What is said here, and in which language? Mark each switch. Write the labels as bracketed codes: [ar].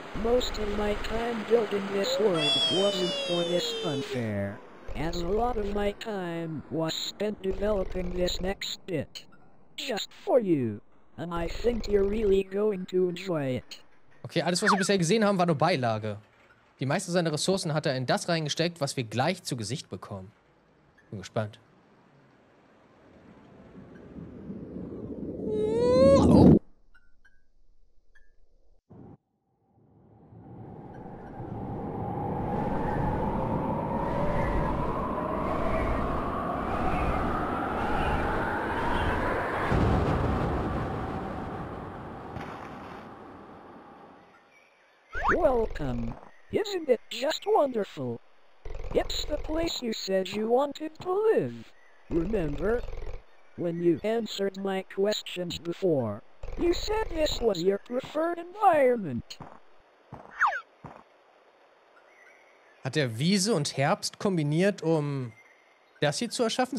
[en] Most of my time building this world wasn't for this funfair, as a lot of my time was spent developing this next bit. Just for you. And I think you're really going to enjoy it. [de] Okay, alles, was wir bisher gesehen haben, war nur Beilage. Die meisten seiner Ressourcen hat er in das reingesteckt, was wir gleich zu Gesicht bekommen. Bin gespannt. [en] Isn't it just wonderful? It's the place you said you wanted to live. Remember? When you answered my questions before, you said this was your preferred environment. [de] Hat er Wiese und Herbst kombiniert, um das hier zu erschaffen?